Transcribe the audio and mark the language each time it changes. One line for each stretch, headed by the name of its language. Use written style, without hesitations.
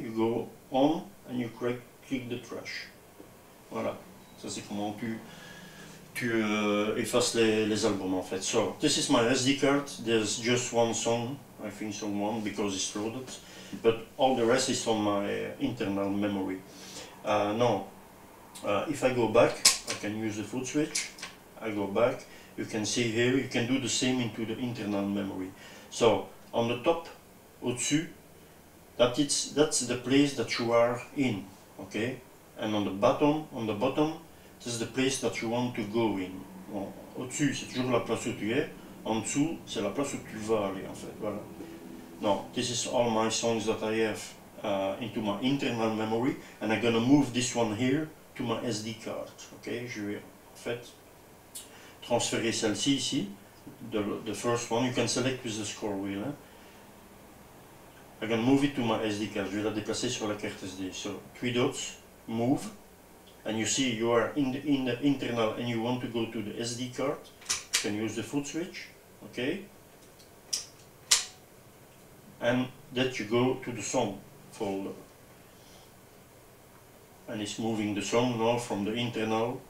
English: You go on and you click the trash.
French: Voilà, ça c'est comment tu effaces les albums en fait.
English: So, this is my SD card, there's just one song, I think song one, because it's loaded. But all the rest is on my internal memory. Now, if I go back, I can use the foot switch, I go back, you can see here, you can do the same into the internal memory. So, on the top,
French: au-dessus,
English: that's the place that you are in, okay? And on the bottom, this is the place that you want to go in.
French: Bon, au-dessus, c'est toujours la place où tu es. En dessous, c'est la place où tu vas aller, en fait. Voilà.
English: Now, this is all my songs that I have into my internal memory. And I'm going to move this one here to my SD card.
French: Okay, je vais, en fait, transférer celle-ci ici.
English: The first one, you can select with the scroll wheel. Hein. I'm going to move it to my SD card.
French: Je vais la déplacer sur la carte SD.
English: So, three dots. Move, and you see you are in the internal and you want to go to the SD card, you can use the foot switch, okay, and that you go to the song folder, and it's moving the song now from the internal.